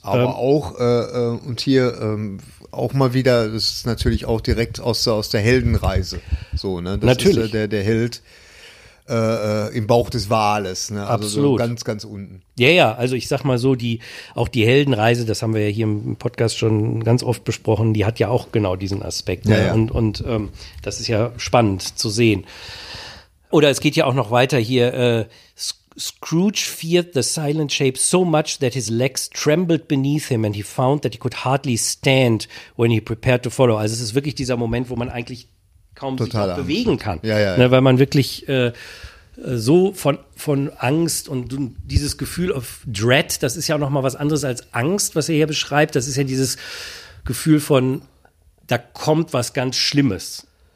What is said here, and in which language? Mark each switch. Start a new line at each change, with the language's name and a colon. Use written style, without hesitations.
German: aber auch und hier auch mal wieder, das ist natürlich auch direkt aus der Heldenreise so, ne? Natürlich. Ist der Held im Bauch des Wales, ne? Absolut. Also so ganz, ganz unten. Ja, ja, also ich sag mal so, die auch die Heldenreise, das haben wir ja hier im Podcast schon ganz oft besprochen, die hat ja auch genau diesen Aspekt. Ja, ja. Und das ist ja spannend zu sehen. Oder es geht ja auch noch weiter hier,
English: Scrooge feared the silent shape so much that his legs trembled beneath him and he found that he could hardly stand when he prepared to follow.
German: Also es ist wirklich dieser Moment, wo man eigentlich kaum total sich bewegen kann. Ja, ja, ja. Ne, weil man wirklich so von Angst und dieses Gefühl of Dread, das ist ja auch noch mal was anderes als Angst, was er hier beschreibt. Das ist ja dieses Gefühl von, da kommt was ganz Schlimmes.